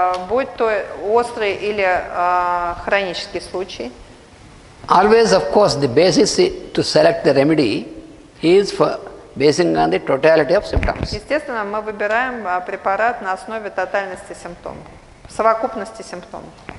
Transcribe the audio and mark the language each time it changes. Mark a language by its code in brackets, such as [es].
[ru] будь то острый или хронический случай, [en] always, of course, the basis to select the remedy is for basing on the totality of symptoms. [ru] Естественно, мы выбираем препарат на основе тотальности симптомов, совокупности симптомов.